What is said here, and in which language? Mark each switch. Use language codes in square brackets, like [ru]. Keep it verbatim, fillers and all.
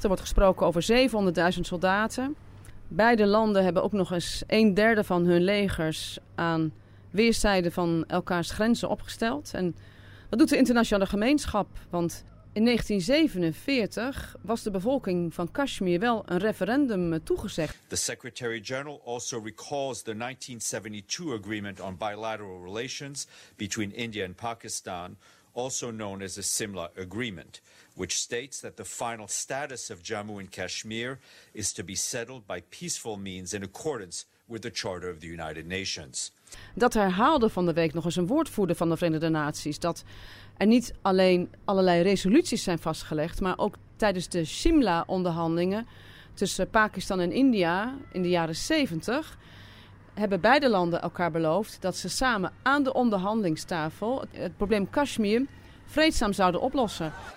[nl] Er wordt gesproken over zevenhonderdduizend soldaten. Beide landen hebben ook nog eens een derde van hun legers aan weerszijden van elkaars grenzen opgesteld. En dat doet de internationale gemeenschap, want in negentien zevenenveertig was de bevolking van Kashmir wel een referendum toegezegd. [en] The Secretary-General also recalls the nineteen seventy-two agreement on bilateral relations between India and Pakistan, also known as the Simla Agreement, which states that the final status of Jammu and Kashmir is to be settled by peaceful means in accordance with the Charter of the United Nations. [nl] Dat herhaalde van de week nog eens een woordvoerder van de Verenigde Naties, dat er niet alleen allerlei resoluties zijn vastgelegd, maar ook tijdens de Simla-onderhandelingen tussen Pakistan en India in de jaren zeventig... hebben beide landen elkaar beloofd dat ze samen aan de onderhandelingstafel het probleem Kashmir vreedzaam zouden oplossen.